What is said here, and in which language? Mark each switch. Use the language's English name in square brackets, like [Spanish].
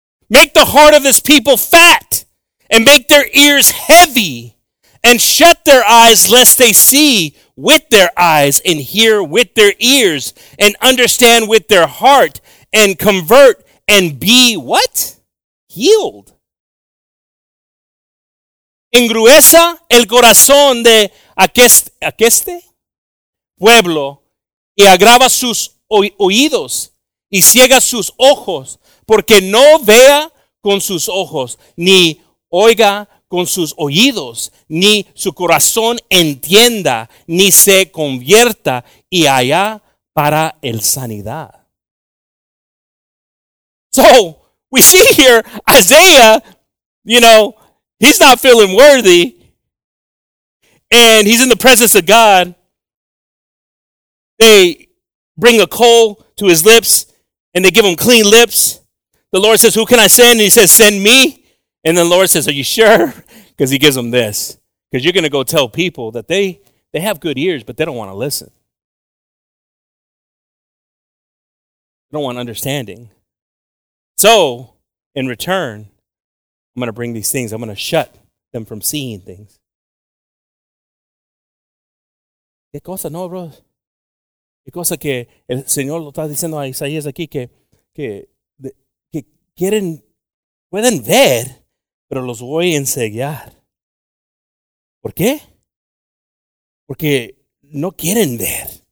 [English] Make the heart of this people fat and make their ears heavy and shut their eyes lest they see with their eyes and hear with their ears and understand with their heart and convert and be what? Healed. [Spanish] Engruesa el corazón de aqueste pueblo y agrava sus oídos y ciega sus ojos porque no vea con sus ojos ni oiga con sus oídos ni su corazón entienda ni se convierta y allá para el sanidad. [English] So we see here Isaiah, you know, he's not feeling worthy and he's in the presence of God. They bring a coal to his lips and they give him clean lips. The Lord says, who can I send? And he says, send me. And the Lord says, are you sure? Because he gives them this. Because you're going to go tell people that they have good ears, but they don't want to listen. They don't want understanding. So, in return, I'm going to bring these things. I'm going to shut them from seeing things. [Spanish] ¿Qué cosa, no, bro? ¿Qué cosa que el Señor lo está diciendo a Isaías aquí? Que quieren, pueden ver. Pero los voy a enseñar. ¿Por qué? Porque no quieren ver.